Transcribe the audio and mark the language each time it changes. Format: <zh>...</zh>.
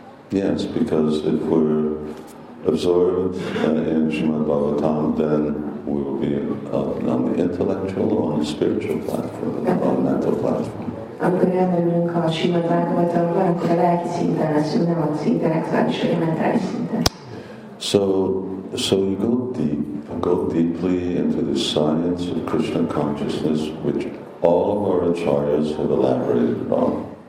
<en>Yes, because if we're absorbed in Srimad Bhagavatam, then we will be on the intellectual or on the spiritual platform, on the mental platform.</en> <hu>Akkor elmegyünk a Srimad Bhagavatamban, akkor a lelki szinten leszünk, nem a intellektuális vagy a mentális szinten.</hu> <en>So you go deeply into the science of Krishna consciousness, which all of our acharyas have elaborated on.</en>